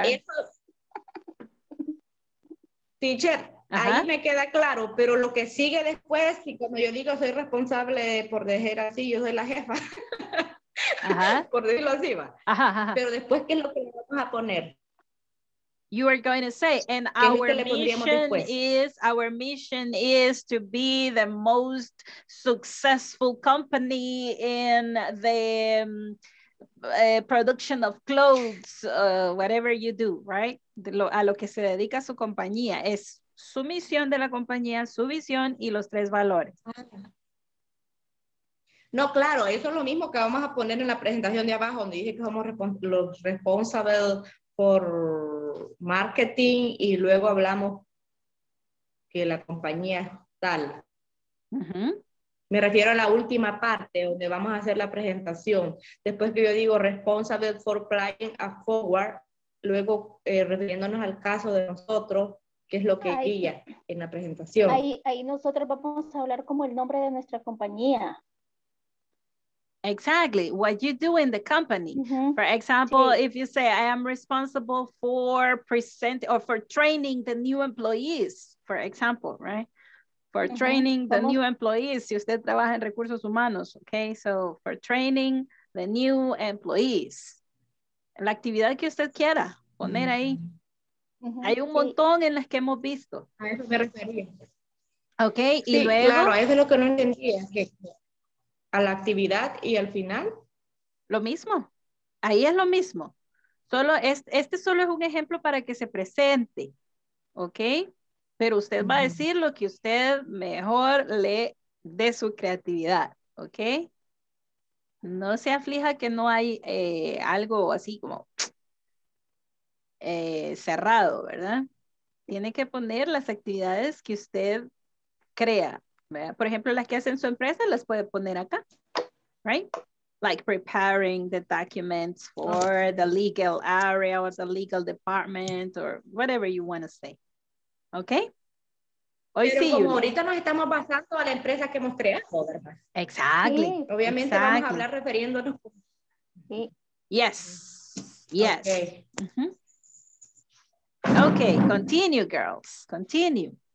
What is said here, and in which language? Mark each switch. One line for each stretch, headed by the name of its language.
English: are.
Spanish: Eso... Teacher, ahí me queda claro, pero lo que sigue después, y como yo digo, soy responsable por dejar así, yo soy la jefa. Por decirlo así, va. Pero después, ¿qué es lo que le vamos a poner?
English: You are going to say, and our mission is to be the most successful company in the production of clothes, whatever you do, right?
Spanish: A lo que se dedica su compañía. Es su misión de la compañía, su visión y los tres valores. No, claro, eso es lo mismo que vamos a poner en la presentación de abajo, donde dije que somos los responsables por marketing y luego hablamos que la compañía es tal. Me refiero a la última parte donde vamos a hacer la presentación. Después que yo digo
English: responsible for planning a forward,
Spanish: luego refiriéndonos al caso de nosotros, que es lo que guía en la presentación. Ahí nosotros vamos a hablar como el nombre de nuestra compañía.
English: Exactly, what you do in the company. For example, if you say I am responsible for presenting or for training the new employees, for example, right? For training the new employees,
Spanish: si usted trabaja en recursos humanos, okay?
English: So for training the new employees,
Spanish: la actividad que usted quiera poner ahí. Hay un montón en las que hemos visto. A eso me refería.
English: Okay,
Spanish: sí, y luego. Claro, eso es lo que no entendía. A la actividad y al final. Lo mismo. Ahí es lo mismo. Solo este solo es un ejemplo para que se presente. ¿Ok? Pero usted va a decir lo que usted mejor le dé su creatividad. ¿Ok? No se aflija que no hay algo así como cerrado, ¿verdad? Tiene que poner las actividades que usted crea. Por ejemplo, las que hacen su empresa las puede poner acá,
English: right? Like preparing the documents for the legal area or the legal department or whatever you want to say. Okay?
Spanish: Hoy sí. Como ahorita nos estamos basando a la empresa que hemos creado, ¿verdad?
English: Exactly.
Spanish: Sí. Obviamente
English: exactly.
Spanish: Vamos a hablar refiriéndonos. Sí.
English: Yes. Yes. Okay, continue, girls. Continue.